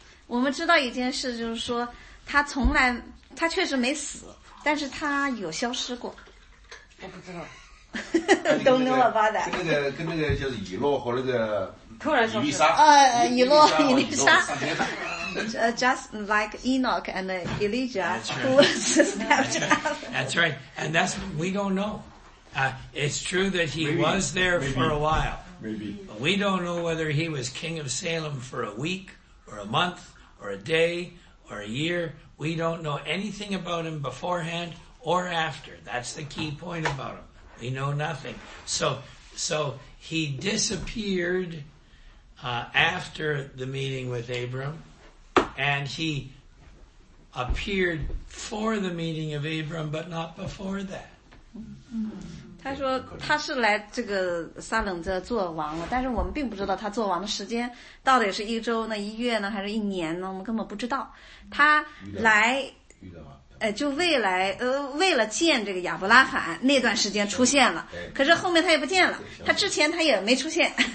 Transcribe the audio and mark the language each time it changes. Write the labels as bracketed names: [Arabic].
[Chinese] 我们知道一件事，就是说他确实没死，但是他有消失过。我不知道。 [English] Don't know about that. [Chinese] 跟那个就是以诺和那个突然消失伊丽莎，以诺伊丽莎。 [English] just like Enoch and Elijah, who was stepped up. That's right. And that's, we don't know. It's true that he was there for a while. Maybe. We don't know whether he was king of Salem for a week or a month or a day or a year. We don't know anything about him beforehand or after. That's the key point about him. We know nothing. So he disappeared after the meeting with Abram, and he appeared for the meeting of Abram, but not before that. Mm-hmm. [Chinese] 他说他是来这个撒冷这做王了，但是我们并不知道他做王的时间到底是一周呢、一月呢，还是一年呢？我们根本不知道。他来，就为来为了见这个亚伯拉罕那段时间出现了，可是后面他也不见了，他之前他也没出现。